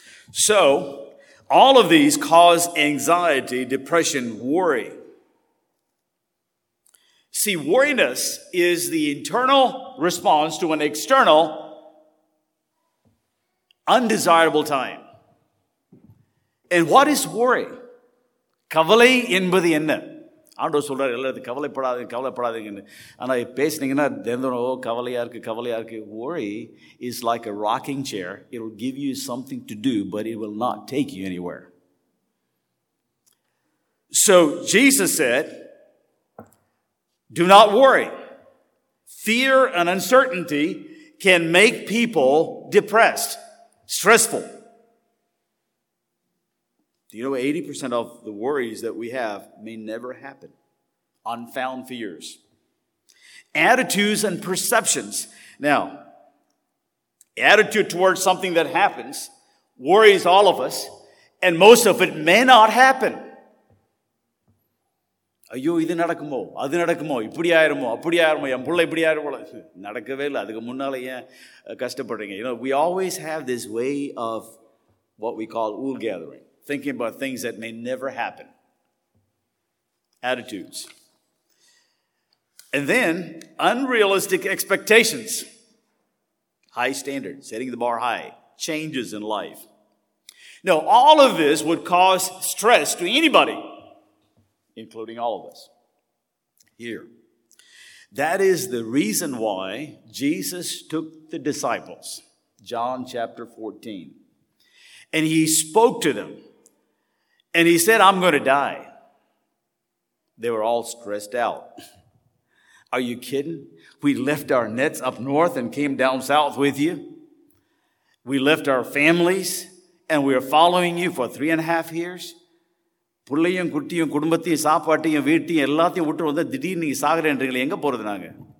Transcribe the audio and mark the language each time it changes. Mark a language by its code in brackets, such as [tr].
[en] So, all of these cause anxiety, depression, worry. See, worriness is the internal response to an external, undesirable time. And what is worry? [ta] Kavali inbadi enna. ஆண்டோ சொல்கிறார் எல்லாத்தையும் கவலைப்படாதீங்க கவலைப்படாதீங்கன்னு. ஆனால் பேசினீங்கன்னா தெரிஞ்சோம், ஓ கவலையாக இருக்குது கவலையாக இருக்குது. [en] Worry is like a rocking chair. It will give you something to do, but it will not take you anywhere. So Jesus said, do not worry. Fear and uncertainty can make people depressed, stressful. Do you know 80% of the worries that we have may never happen? Unfound fears. Attitudes and perceptions. Now, attitude towards something that happens worries all of us, and most of it may not happen. [ta] ஐயோ இது நடக்குமோ அது நடக்குமோ இப்படி ஆயிருமோ அப்படி ஆயிருமோ என் பிள்ளை இப்படி ஆயிருமோ நடக்கவே இல்லை அதுக்கு முன்னால் ஏன் கஷ்டப்படுறீங்க. [en] You know, we always have this way of what we call wool gathering. Thinking about things that may never happen. Attitudes. And then, unrealistic expectations. High standards, setting the bar high. Changes in life. Now, all of this would cause stress to anybody, including all of us. Here. That is the reason why Jesus took the disciples. John chapter 14. And he spoke to them. And he said, I'm going to die. They were all stressed out. Are you kidding? We left our nets up north and came down south with you. We left our families and we are following you for 3.5 years. [ta] புள்ளையும் குட்டியும் குடும்பத்தையும் சாப்பாட்டையும் வீட்டையும் எல்லாத்தையும் விட்டு வந்து திடீர்னு நீங்கள் சாகிறேன்றீங்களே எங்கே போகிறது நாங்கள்.